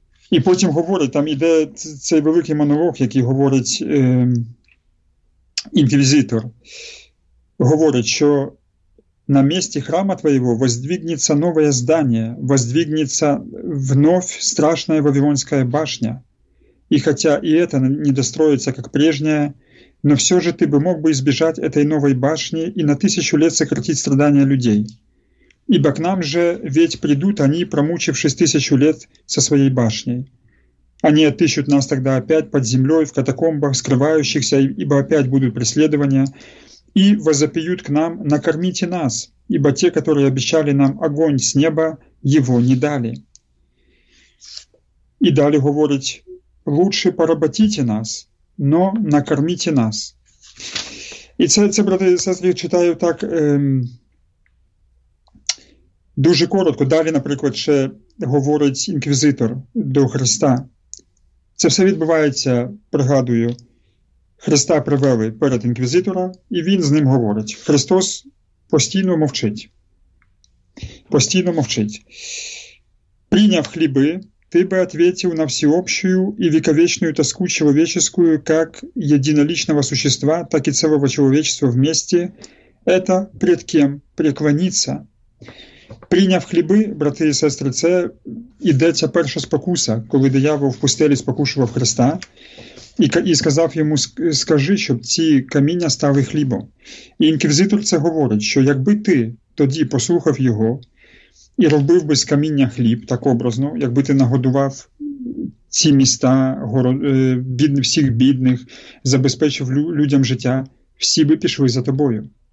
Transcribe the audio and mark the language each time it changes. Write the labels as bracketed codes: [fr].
[uk] І потім говорить, там іде цей великий монолог, який говорить інквізитор, говорить, що на місці храма твоєго воздвігнеться нове здання, воздвігнеться вновь страшна Вавилонська башня, і хоча і це не достроїться, як прежнє, [ru] но все же ты бы мог бы избежать этой новой башни и на тысячу лет сократить страдания людей. Ибо к нам же ведь придут они, промучившись тысячу лет со своей башней. Они отыщут нас тогда опять под землей, в катакомбах, скрывающихся, ибо опять будут преследования, и возопьют к нам «накормите нас», ибо те, которые обещали нам огонь с неба, его не дали. И далее говорить «лучше поработите нас», но накормите нас. [uk] І це брати і сестри, читаю так дуже коротко. Далі, наприклад, ще говорить інквізитор до Христа. Це все відбувається, пригадую, Христа привели перед інквізитора, і він з ним говорить. Христос постійно мовчить. Постійно мовчить. Прийняв хліби, [ru] ты бы ответил на всеобщую и вековечную тоску человеческую как единоличного существа, так и целого человечества вместе, это пред кем преклониться. [uk] Прийняв хліби, брати і сестри, це йдеться перша спокуса, коли диявол в пустелі спокушував Христа і сказав йому, скажи, щоб ці каміння стали хлібом. І інквізитор це говорить, що якби ти тоді послухав його, і робив би з каміння хліб, так образно, якби ти нагодував ці міста, всіх бідних, забезпечив людям життя, всі би пішли за тобою.